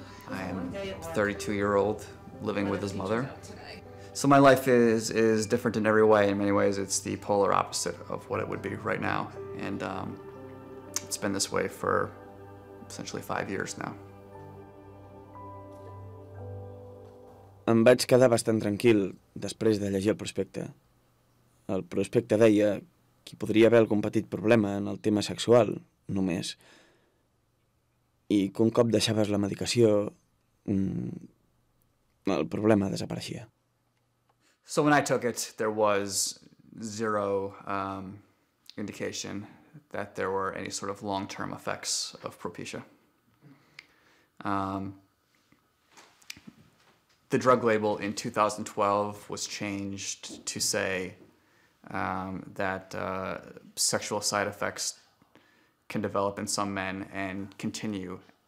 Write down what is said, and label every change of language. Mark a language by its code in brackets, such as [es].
[en] I am 32-year-old living with his mother. So my life is different in every way. In many ways, it's the polar opposite of what it would be right now. And it's been this way for essentially 5 years now. [ca] Em vaig quedar bastant tranquil després de llegir el prospecte. El prospecte deia que podria haver algun petit problema en el tema sexual, només. I que un cop deixaves la medicació, el problema desapareixia. [en] So when I took it, there was zero indication that there were any sort of long-term effects of propecia. The drug label in 2012 was changed to say that sexual side effects can develop in some men and continue.